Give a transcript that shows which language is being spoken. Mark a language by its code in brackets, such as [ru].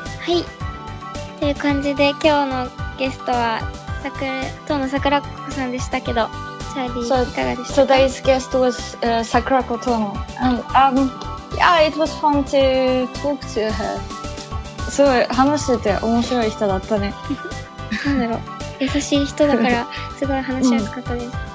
[ja] はい、という感じで今日のゲストは遠野桜子さんでしたけど、チャーリーいかがでしたか？ [en] So today's guest was Sakurako Tono. And yeah, it was fun to talk to her. [ja] すごい話してて面白い人だったね。なんだろう、優しい人だからすごい話しやすかったです。